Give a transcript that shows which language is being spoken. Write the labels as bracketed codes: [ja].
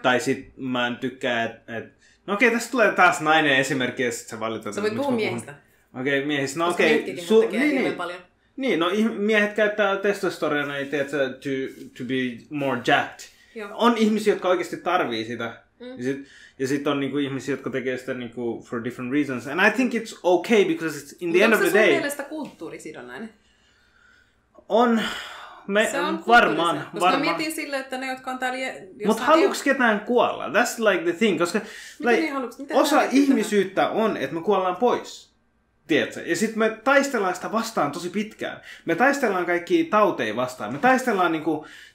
[fi] Tai sit mä en tykkää, että no okei, tässä tulee taas nainen esimerkki, ja sit sä valitat. Sä voit puhua miehistä. Okei, miehistä. No okei. Niin, no miehet käyttää testosteronia, [en] to be more jacked. [fi] Jo. On ihmisiä, jotka oikeasti tarvii sitä. Ja sit on niinku ihmisiä, jotka tekee sitä niinku [en] for different reasons. And I think it's okay, because it's in the end of the day. [fi] Onko se sun mielestä kulttuurisidonnainen? On. Me, se on varmaan. Koska mä mietin sille, että ne, jotka on täällä. Mutta haluuks ketään kuolla? [en] That's like the thing. [fi] Koska osa ihmisyyttä on, että me kuollaan pois. Tiedätkö? Ja sitten me taistellaan sitä vastaan tosi pitkään. Me taistellaan kaikki tauteja vastaan. Me taistellaan niinku.